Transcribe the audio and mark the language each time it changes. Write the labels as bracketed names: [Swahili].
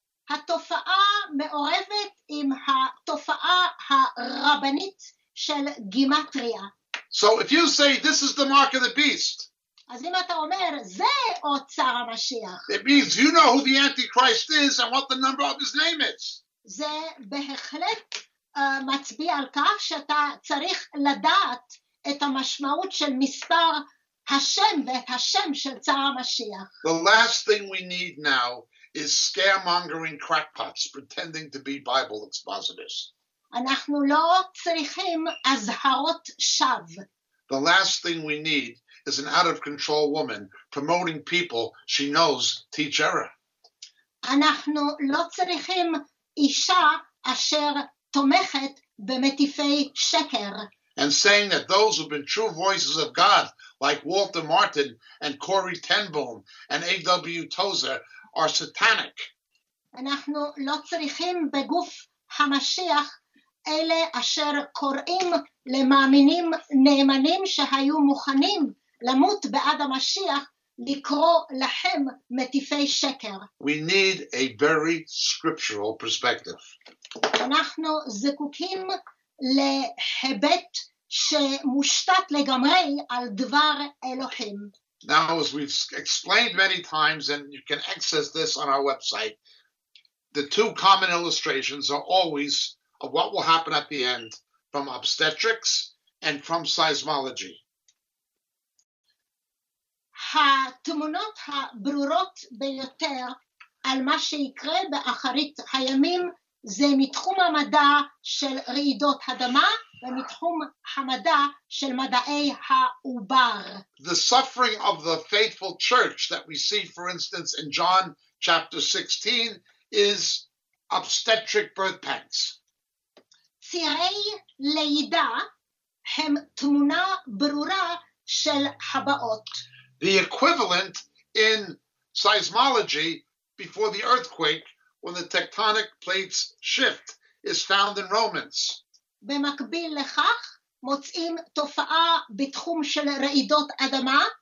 [Hebrew] התופעה מעורבת עם התופעה הרבנית של גימטריה. [English] So if you say this is the mark of the beast, [Hebrew] אז אם אתה אומר, זה אות צר המשיח. [English] It means you know who the Antichrist is and what the number of his name is. [Hebrew] זה בהחלט מצביע על כך שאתה צריך לדעת את המשמעות של מספר השם ואת השם של צר המשיח. [English] The last thing we need now is scaremongering crackpots pretending to be Bible expositors. [Hebrew] אנחנו לא צריכים אזהרות שווא. [English] The last thing we need is an out-of-control woman promoting people she knows teach error. [Hebrew] אנחנו לא צריכים אישה אשר תומכת במטיפי שקר. [English] And saying that those who've been true voices of God, like Walter Martin and Corey Ten Boom and A.W. Tozer, are satanic. [Hebrew] אנחנו לא צריכים בגוף המשיח אלה אשר קוראים למאמינים נאמנים שהיו מוכנים למות בעד המשיח לקרוא להם מטיפי שקר. [English] We need a very scriptural perspective. [Hebrew] אנחנו זקוקים להיבט שמושתת לגמרי על דבר אלוהים. [English] Now, as we've explained many times, and you can access this on our website, the two common illustrations are always of what will happen at the end from obstetrics and from seismology. [Hebrew] התמונות הברורות ביותר על מה שיקרה באחרית הימים זה מתחום המדע של רעידות אדמה ומתחום המדע של מדעי העובר. [English] The suffering of the faithful church that we see, for instance, in John chapter 16 is obstetric birth pangs. [Hebrew] צירי לידה הם תמונה ברורה של הבאות. [English] The equivalent in seismology before the earthquake, when the tectonic plates shift, is found in Romans. [Hebrew] במקביל לכך, מוצאים תופעה בתחום של רעידות אדמה.